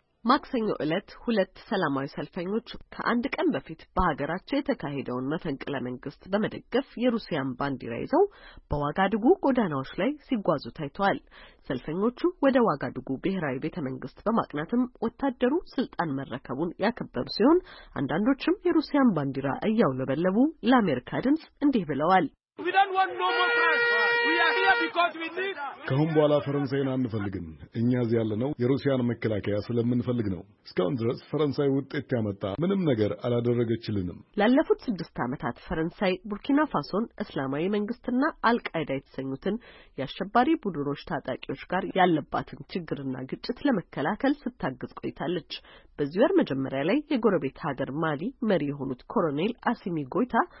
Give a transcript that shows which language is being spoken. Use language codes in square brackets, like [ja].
[am] ማክሰኞ ዕለት ሁለት ሰላማዊ ሰልፈኞች ከአንድ ቀን በፊት በሀገራቸው የተካሄደውን መፈንቅለ መንግስት በመደገፍ የሩሲያን ባንዲራ ይዘው በዋጋዱጉ ጎዳናዎች ላይ ሲጓዙ ታይተዋል። ሰልፈኞቹ ወደ ዋጋዱጉ ብሔራዊ ቤተ መንግስት በማቅናትም ወታደሩ ስልጣን መረከቡን ያከበሩ ሲሆን አንዳንዶቹም የሩሲያን ባንዲራ እያውለበለቡ ለአሜሪካ ድምጽ እንዲህ ብለዋል። [en] We don't want no more France. We are here because we need [am] ከሁን በኋላ ፈረንሳይን አንፈልግም። እኛ እዚህ ያለነው የሩሲያን መከላከያ ስለምንፈልግ ነው። እስካሁን ድረስ ፈረንሳይ ውጤት ያመጣ ምንም ነገር አላደረገችልንም። ላለፉት 6 አመታት ፈረንሳይ ቡርኪና ፋሶን እስላማዊ መንግስትና አልቃይዳ የተሰኙትን ያሸባሪ ቡድኖች ታጣቂዎች ጋር ያለባትን ችግርና ግጭት ለመከላከል ስታግዝ ቆይታለች። በዚህ ወር መጀመሪያ ላይ የጎረቤት ሀገር ማሊ መሪ የሆኑት ኮሎኔል አሲሚ ጎይታ